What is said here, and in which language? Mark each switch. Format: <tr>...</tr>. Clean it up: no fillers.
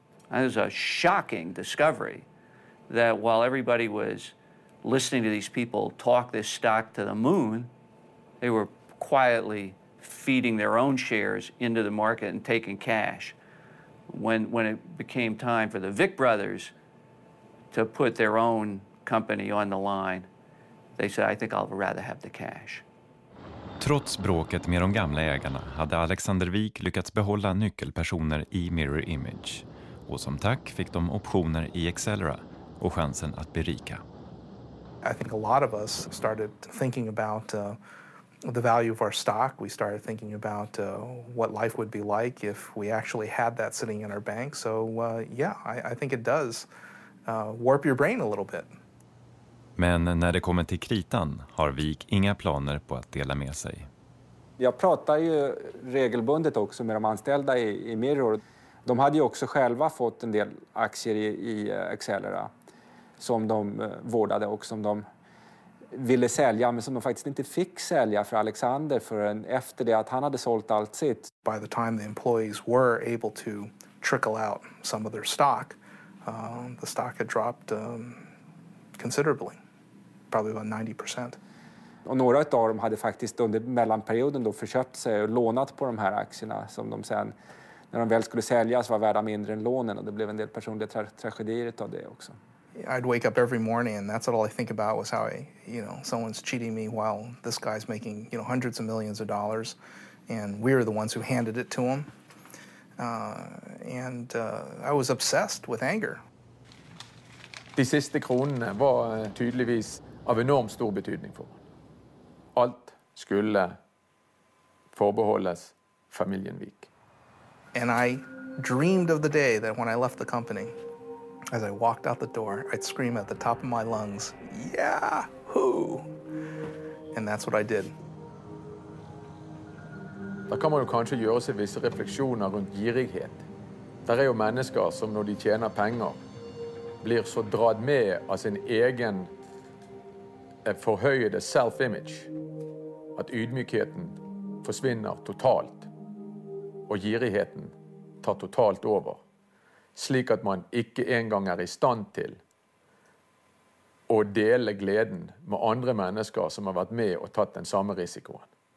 <en>It was a shocking discovery that while everybody was listening to these people talk this stock to the moon, they were quietly feeding their own shares into the market and taking cash. When it became time for the Vick brothers to put their own company on the line, they said, I think I'll rather have the cash.</en> <sv>Trots bråket med de gamla ägarna hade Alexander Wik lyckats behålla nyckelpersoner i Mirror Image. Och som tack fick de optioner i Excelera och chansen att berika.</sv> <en>I think a lot of us started thinking about the value of our stock. We started thinking about what life would be like if we actually had that sitting in our bank. So I think it does warp your brain a little bit.</en> <sv>Men när det kommer till kritan har Wik inga planer på att dela med sig. Jag pratar ju regelbundet också med de anställda i Mirror. De hade ju också själva fått en del aktier i Excelera som de vårdade och som de ville sälja, men som de faktiskt inte fick sälja för Alexander förrän efter det att han hade sålt allt sitt.</sv> <en>By the time the employees were able to trickle out some of their stock, the stock had dropped considerably, probably about 90%.</en> <sv>Och några av dem hade faktiskt under mellanperioden då förköpt sig och lånat på de här aktierna som de sen, när de väl skulle säljas, var värda mindre än lånen, och det blev en del personliga tragedier av det också.</sv> <en>I'd wake up every morning and that's all I think about was how someone's cheating me while this guy's making, you know, hundreds of millions of dollars and we're the ones who handed it to him. I was obsessed with anger.</en> <sv>De sista kronorna var tydligtvis av enormt stor betydning för. Allt skulle förbehållas familjen Wik.</sv> <en>And I dreamed of the day that when I left the company, as I walked out the door, I'd scream at the top of my lungs, "Yahoo!" And that's what I did.</en> <no>Da kan man jo kanskje gjøre seg visse refleksjoner rundt girighet. Det er jo mennesker som når de tjener penger, blir så dratt med av sin egen forhøyede self-image, at ydmykheten forsvinner totalt, og girigheten tar totalt over, slik at man ikke engang i stand til å dele gleden med andre mennesker som har vært med og tatt den samme risikoen.</no>